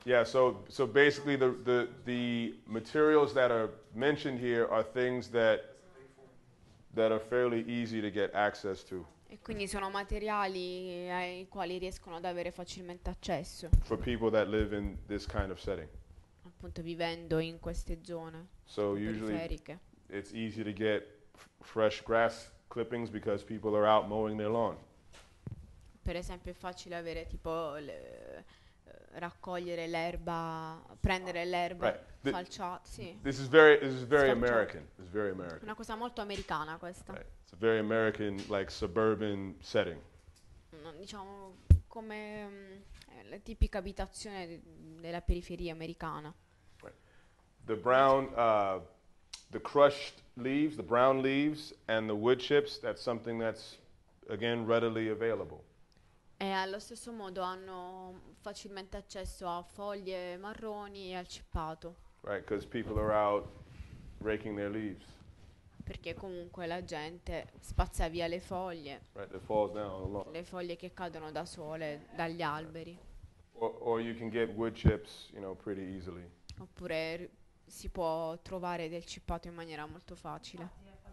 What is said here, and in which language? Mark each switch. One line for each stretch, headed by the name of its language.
English: Yeah, so basically the materials that are mentioned here are things that are fairly easy to get access to.
Italian: E quindi sono materiali ai quali riescono ad avere facilmente accesso.
English: For people that live in this kind of setting.
Italian: Appunto vivendo in queste zone.
English: So usually it's easy to get fresh grass clippings because people are out mowing their lawn.
Italian: Per esempio è facile avere tipo raccogliere l'erba, prendere l'erba,
English: right.
Italian: Falciata, sì.
English: This is very American. It's very American.
Italian: Una cosa molto americana questa.
English: Right. It's a very American like suburban setting.
Italian: Diciamo come la tipica abitazione della periferia americana.
English: Right. The brown the crushed leaves, the brown leaves and the wood chips, that's something that's again readily available.
Italian: E allo stesso modo hanno facilmente accesso a foglie marroni e al cippato.
English: Right, because people are out raking their leaves.
Italian: Perché comunque la gente spazza via le foglie.
English: Right, that falls down a lot.
Italian: Le foglie che cadono da sole dagli alberi.
English: Or you can get wood chips, you know, pretty easily.
Italian: Oppure si può trovare del cippato in maniera molto facile.